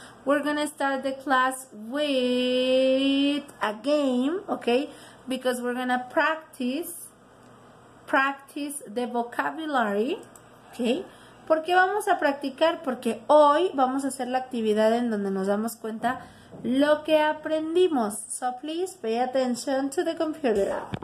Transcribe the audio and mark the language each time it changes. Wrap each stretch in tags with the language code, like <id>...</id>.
<en>We're going to start the class with a game, okay? Because we're going to practice the vocabulary, okay?</en> <es>¿Por qué vamos a practicar? Porque hoy vamos a hacer la actividad en donde nos damos cuenta lo que aprendimos.</es> <en>So please pay attention to the computer.</en>